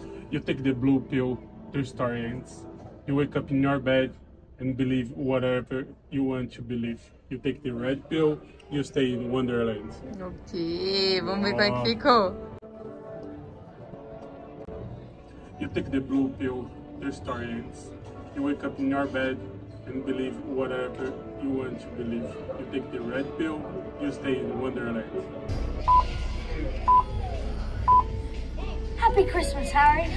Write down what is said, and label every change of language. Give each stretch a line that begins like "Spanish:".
English: You take the blue pill, the story ends. You wake up in your bed. And believe whatever you want to believe. You take the red pill, you stay in Wonderland.
Portuguese: Ok, vamos ver como é que ficou.
English: You take the blue pill, the story ends. You wake up in your bed and believe whatever you want to believe. You take the red pill, you stay in Wonderland. Happy Christmas, Harry.